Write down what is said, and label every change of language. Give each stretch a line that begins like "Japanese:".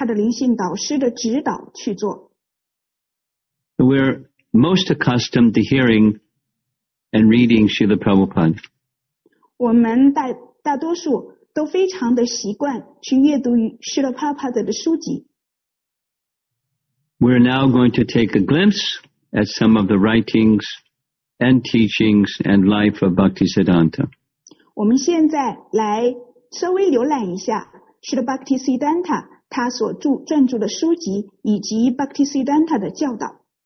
Chinese: 须勒帕帕德所做的一切，须勒帕帕德所说的一切，都是严格的按照他的灵性导师的指导去做。
English: We're most accustomed to hearing and reading Srila Prabhupada.
Chinese: 我们大多数都非常的习惯去阅读须勒帕帕德的书籍。
English: We're now going to take a glimpse at some of the writings and teachings and life of Bhakti Siddhanta.
Chinese: 我们现在来稍微浏览一下是的 Bhakti Siddhanta 他所撰著的书籍以及 Bhakti Siddhanta 的教导。